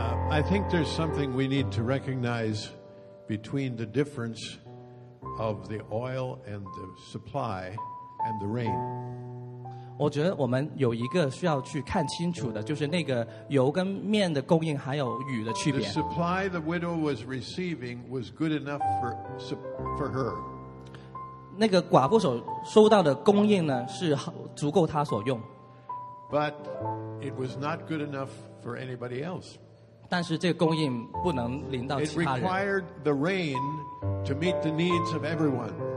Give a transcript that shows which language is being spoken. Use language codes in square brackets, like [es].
[en] I think there's something we need to recognize between the difference of the oil and the supply and the rain. [zh] 我觉得我们有一个需要去看清楚的，就是那个油跟面的供应，还有雨的区别。 [en] The supply the widow was receiving was good enough for her. [zh] 那个寡妇所收到的供应呢，是足够她所用。 [en] But it was not good enough for anybody else. [zh] 但是这个供应不能临到其他人。 [en] It required the rain to meet the needs of everyone.